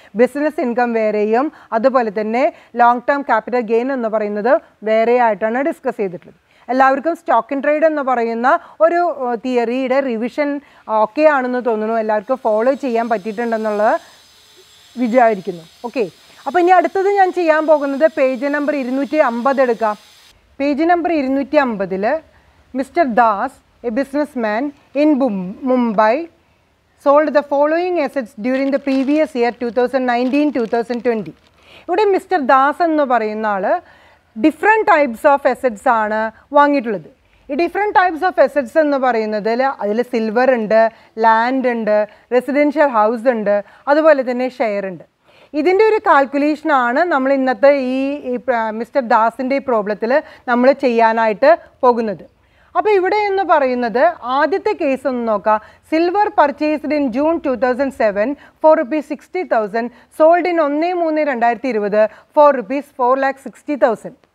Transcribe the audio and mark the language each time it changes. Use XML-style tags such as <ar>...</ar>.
<ml>Business income വേറെയും അതുപോലെ തന്നെ ലോങ് ടേം ക്യാപിറ്റൽ ഗെയിൻ എന്ന് പറയുന്നത് വേറെ ആയിട്ടാണ് ഡിസ്കസ് ചെയ്തിട്ടുള്ളത്. എല്ലാവർക്കും സ്റ്റോക്ക് ഇൻ ട്രേഡ് എന്ന് പറയുന്ന ഒരു തിയറിയുടെ റിവിഷൻ ഓക്കെ ആണെന്ന് തോന്നുന്നു. എല്ലാവർക്കും ഫോളോ ചെയ്യാൻ പറ്റിയിട്ടുണ്ടെന്നുള്ളത് വിചാരിക്കുന്നു. ഓക്കെ, അപ്പോൾ ഇനി അടുത്തത് ഞാൻ ചെയ്യാൻ പോകുന്നത് പേജ് നമ്പർ 250 എടുക്കാം.</ml> <en>Page number 250 mister Das, a businessman in Mumbai, sold the following assets during the previous year 2019-2020.</en> <ml>ഇവിടെ മിസ്റ്റർ ദാസ് എന്ന് പറയുന്ന ആൾ</ml> <en>different types of assets</en> <ml>ആണ് വാങ്ങിയിട്ടുള്ളത് ഈ different types of assets എന്ന് പറയുന്നതിൽ അതിൽ സിൽവർ ഉണ്ട് ലാൻഡ് ഉണ്ട് റെസിഡൻഷ്യൽ ഹൗസ് ഉണ്ട് അതുപോലെ തന്നെ ഷെയർ ഉണ്ട് ഇതിന്റെ ഒരു കാൽക്കുലേഷൻ ആണ് നമ്മൾ ഇന്നത്തെ ഈ മിസ്റ്റർ ദാസിന്റെ ഈ പ്രോബ്ലത്തിൽ നമ്മൾ ചെയ്യാനായിട്ട് പോകുന്നത് അപ്പോൾ ഇവിടെ എന്ന് പറയുന്നത് ആദ്യത്തെ കേസ് ഒന്ന് നോക്കാം</ml> <en>silver purchased in June 2007 for rupees 60,000 sold in 1/3/2020 for rupees 4,60,000</en>